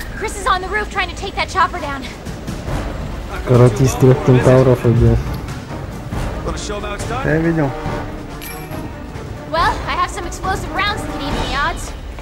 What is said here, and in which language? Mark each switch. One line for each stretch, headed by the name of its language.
English: Chris is on the roof trying to take that chopper down.
Russian: Каратист трех кентавров убил. Я видел.
English: Well, I have some explosive rounds that can even the odds.